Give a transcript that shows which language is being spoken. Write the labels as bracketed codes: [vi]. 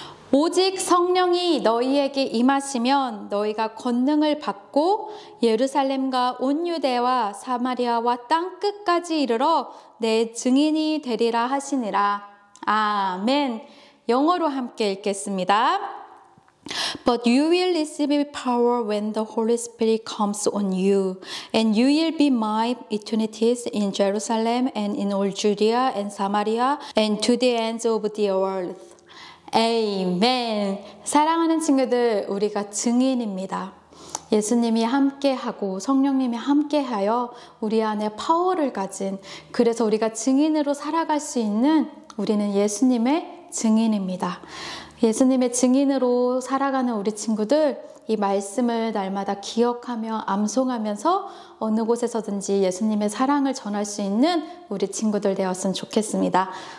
[ko] 오직 성령이 너희에게 임하시면 너희가 권능을 받고 예루살렘과 온 유대와 사마리아와 땅끝까지 이르러 내 증인이 되리라 하시니라. 아멘. 영어로 함께 읽겠습니다. [en] But you will receive power when the Holy Spirit comes on you, and you will be my witnesses in Jerusalem and in all Judea and Samaria and to the ends of the earth. Amen. [ko] 사랑하는 친구들, 우리가 증인입니다. 예수님이 함께하고 성령님이 함께하여 우리 안에 파워를 가진, 그래서 우리가 증인으로 살아갈 수 있는, 우리는 예수님의 증인입니다. 예수님의 증인으로 살아가는 우리 친구들, 이 말씀을 날마다 기억하며 암송하면서 어느 곳에서든지 예수님의 사랑을 전할 수 있는 우리 친구들 되었으면 좋겠습니다.